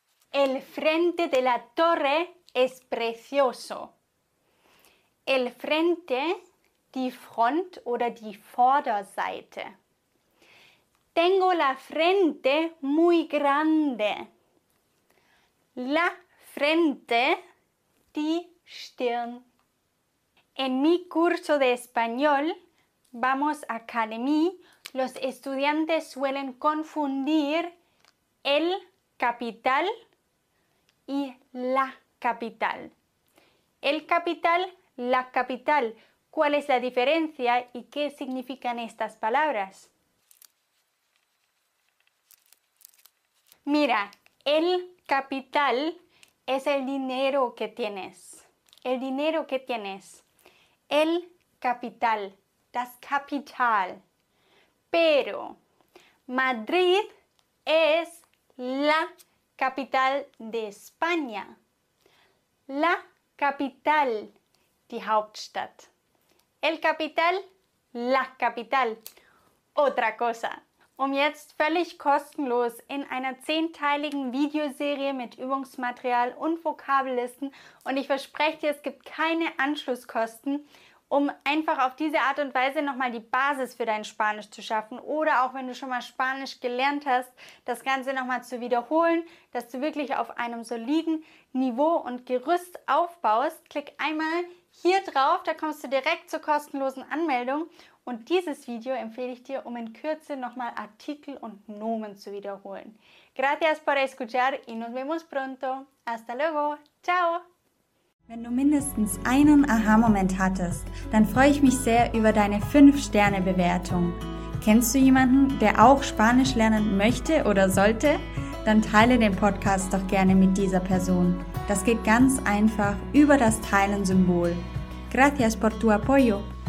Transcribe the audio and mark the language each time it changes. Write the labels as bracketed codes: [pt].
[es] El frente de la torre es precioso. El frente, [de] die Front oder die Vorderseite. [es] Tengo la frente muy grande. La frente, [de] die Stirn. [es] En mi curso de español, Vamos Academy, los estudiantes suelen confundir el capital y la capital. El capital, la capital. ¿Cuál es la diferencia y qué significan estas palabras? Mira, el capital es el dinero que tienes. El dinero que tienes. El capital. [de] Das Kapital. [es] Pero Madrid es la capital de España. La capital, [de] die Hauptstadt. [es] El capital, la capital. Otra cosa. [de] Um jetzt völlig kostenlos in einer 10-teiligen Videoserie mit Übungsmaterial und Vokabellisten und ich verspreche dir, es gibt keine Anschlusskosten, um einfach auf diese Art und Weise nochmal die Basis für dein Spanisch zu schaffen oder auch wenn du schon mal Spanisch gelernt hast, das Ganze nochmal zu wiederholen, dass du wirklich auf einem soliden Niveau und Gerüst aufbaust, klick einmal hier drauf, da kommst du direkt zur kostenlosen Anmeldung und dieses Video empfehle ich dir, um in Kürze nochmal Artikel und Nomen zu wiederholen. [es] Gracias por escuchar y nos vemos pronto. Hasta luego. Ciao. [de] Wenn du mindestens einen Aha-Moment hattest, dann freue ich mich sehr über deine 5-Sterne-Bewertung. Kennst du jemanden, der auch Spanisch lernen möchte oder sollte? Dann teile den Podcast doch gerne mit dieser Person. Das geht ganz einfach über das Teilen-Symbol. [es] Gracias por tu apoyo.